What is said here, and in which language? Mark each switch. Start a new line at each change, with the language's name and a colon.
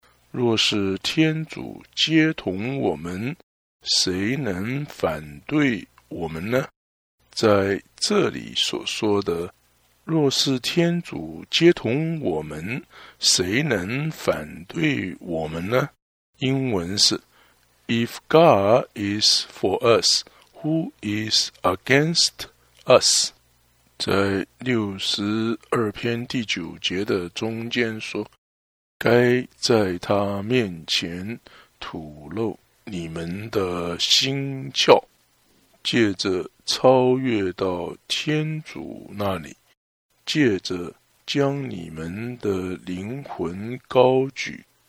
Chinese: 若是天主接同我们，谁能反对我们呢？在这里所说的，若是天主接同我们，谁能反对我们呢？英文是
English: If God is for us, who is against us?
Chinese: 在62篇第9节的中间说，该在他面前吐露你们的心窍，借着超越到天主那里，借着将你们的灵魂高举。